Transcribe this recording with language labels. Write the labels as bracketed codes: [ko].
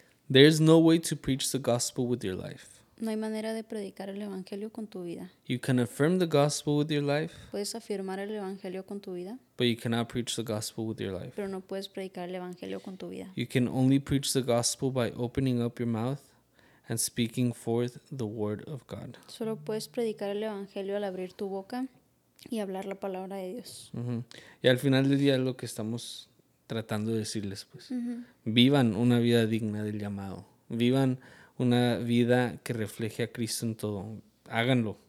[en] There's no way to preach the gospel with your life. [es] No hay manera de predicar el evangelio con tu vida. [en] You can affirm the gospel with your life. [es] Puedes afirmar el evangelio con tu vida. [en] But you cannot preach the gospel with your life. [es] Pero no puedes predicar el evangelio con tu vida. [en] You can only preach the gospel by opening up your mouth and speaking forth the word of God. [es] Solo puedes predicar el evangelio al abrir tu boca y hablar la palabra de Dios. Uh-huh. Y al final del día es lo que estamos tratando de decirles, pues, uh-huh, vivan una vida digna del llamado, vivan una vida que refleje a Cristo en todo, háganlo,